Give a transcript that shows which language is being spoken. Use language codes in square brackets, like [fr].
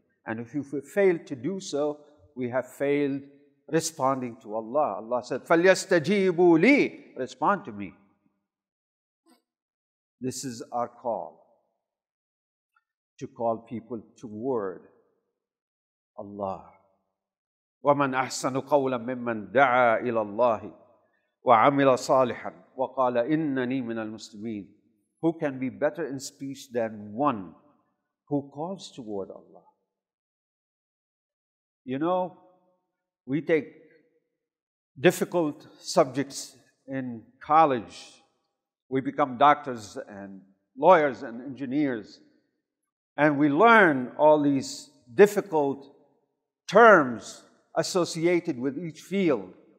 [en] And if we fail to do so, we have failed responding to Allah. Allah said, [ar] فَلْيَسْتَجِيبُوا لِي. [en] Respond to me. This is our call, to call people toward Allah. [ar] وَمَنْ أَحْسَنُ قَوْلًا مِمَّنْ دَعَى إِلَى اللَّهِ وَعَمِلَ صَالِحًا وَقَالَ إِنَّنِي مِنَ الْمُسْلِمِينَ. [en] Who can be better in speech than one who calls toward Allah. You know, we take difficult subjects in college. We become doctors and lawyers and engineers. And we learn all these difficult terms associated with each field.